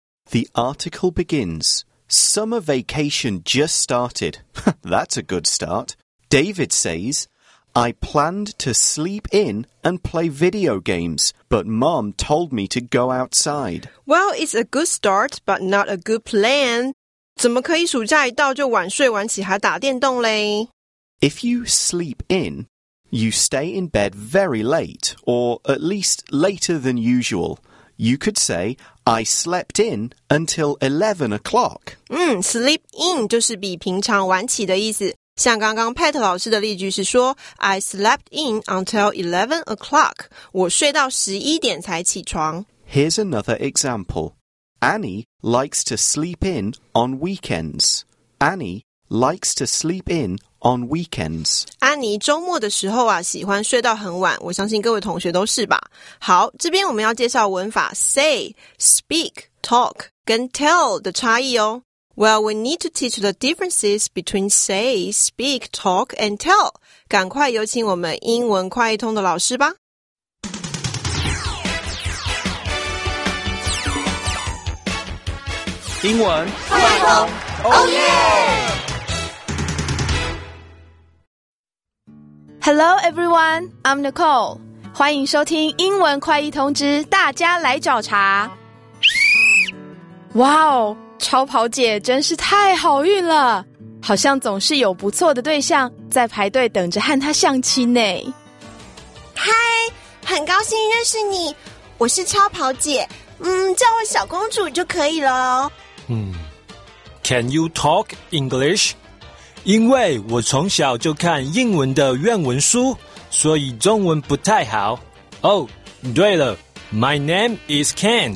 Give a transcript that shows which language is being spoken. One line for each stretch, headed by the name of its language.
English: The article begins. Summer vacation just started. That's a good start. David says... I planned to sleep in and play video games, but Mom told me to go outside. Well, it's a good start, but not a good plan.
Chinese: 怎么可以暑假一到就晚睡晚起还打电动嘞?
English: If you sleep in, you stay in bed very late, or at least later than usual. You could say, I slept in until 11 o'clock.
Chinese: Sleep in 就是比平常晚起的意思。像刚刚 Pat 老师的例句是说
English: I slept in until 11 o'clock.
Chinese: 我睡到11点才起床。
English: Here's another example. Annie likes to sleep in on weekends. Annie likes to sleep in on weekends.
Chinese: Annie 周末的时候啊喜欢睡到很晚，我相信各位同学都是吧。好，这边我们要介绍文法 say, speak, talk, 跟 tell 的差异哦。
English: Well, we need to teach the differences between say, speak, talk, and tell.
Chinese: 赶快有请我们英文快一通的老师吧。英文快一通 ，Oh
English: yeah! Hello, everyone. I'm Nicole.
Chinese: 欢迎收听英文快译通知，大家来找茬。哇哦，超跑姐真是太好运了，好像总是有不错的对象在排队等着和她相亲呢。嗨，很高兴认识你，我是超跑姐，叫我小公主就可以了。
English: Can you talk English?
Chinese: 因为我从小就看英文的愿文书，所以中文不太好。
English: Oh,
Chinese: 对了，
English: My name is Ken.